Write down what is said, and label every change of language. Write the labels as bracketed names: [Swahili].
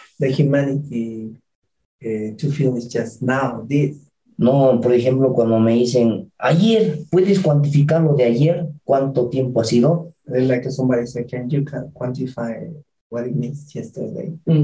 [English] The humanity to feel it's just now, this. [Spanish] No, por ejemplo, cuando me dicen, ayer, ¿puedes cuantificar lo de ayer? ¿Cuánto tiempo ha sido? [English] Like somebody said, can you quantify what it means yesterday?